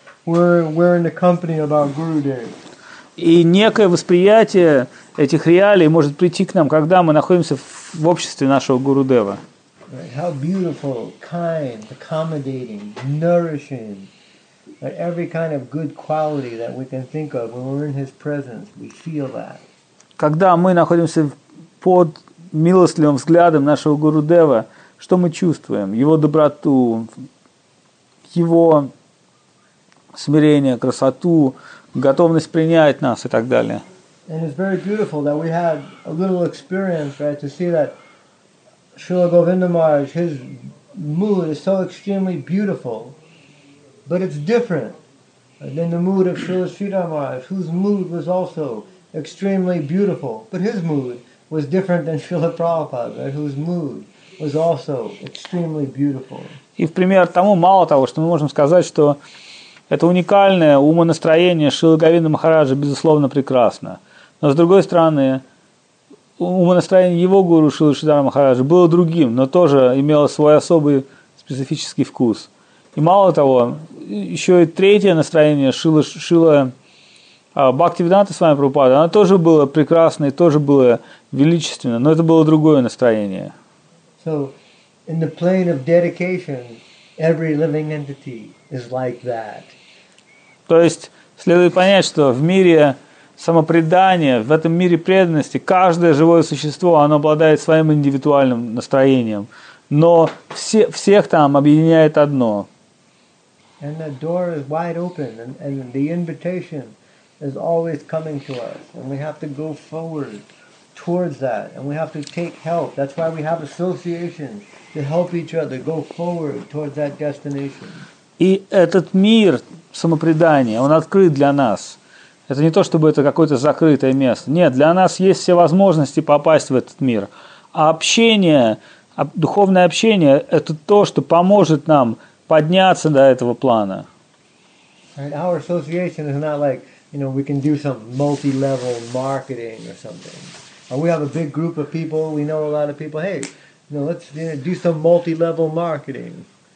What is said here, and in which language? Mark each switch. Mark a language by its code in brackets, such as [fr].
[en] We're in the company of our Guru Dev. [ru] И некое восприятие этих реалий может прийти к нам, когда мы находимся в обществе нашего Гуру Дева. [en] How beautiful, kind, accommodating, nourishing. Every kind of good quality that we can think of, when we're in His presence, we feel that. [ru] Когда мы находимся под милостливым взглядом нашего Гуру Дева, что мы чувствуем? Его доброту, его смирение, красоту, готовность принять нас и так далее. [en] And it's very beautiful that we had a little experience, right, to see that Srila Govinda Maharaj, his mood is so extremely beautiful. But it's different than the mood of Srila Sridhar Maharaj, whose mood was also extremely beautiful. But his mood was different than Srila Prabhupada, right, whose mood was also extremely beautiful. [ru] И в пример тому, мало того, что мы можем сказать, что это уникальное умонастроение Шрилы Говинды Махараджа безусловно прекрасно. Но с другой стороны, умонастроение его гуру Шрилы Сридхара Махараджа было другим, но тоже имело свой особый специфический вкус. И мало того, еще и третье настроение Шрилы Бхактивиданты с вами Прабхупады, оно тоже было прекрасно и тоже было величественно, но это было другое настроение. [en] So, in the plane of dedication, every living entity is like that. [ru] То есть, следует понять, что в мире самопредания, в этом мире преданности, каждое живое существо, оно обладает своим индивидуальным настроением, но всех там объединяет одно. [en] And the door is wide open, and the invitation is always coming to us, and we have to go forward towards that, and we have to take help. That's why we have associations to help each other go forward towards that destination. [ru] И этот мир самопредания, он открыт для нас. Это не то, чтобы это какое-то закрытое место. Нет, для нас есть все возможности попасть в этот мир. А общение, духовное общение, это то, что поможет нам подняться до этого плана. [en] Right, our association is not like, you know, we can do some multi-level marketing or something. Or we have a big group of people, we know a lot of people. Hey, you know, let's, you know, do some multi-level marketing.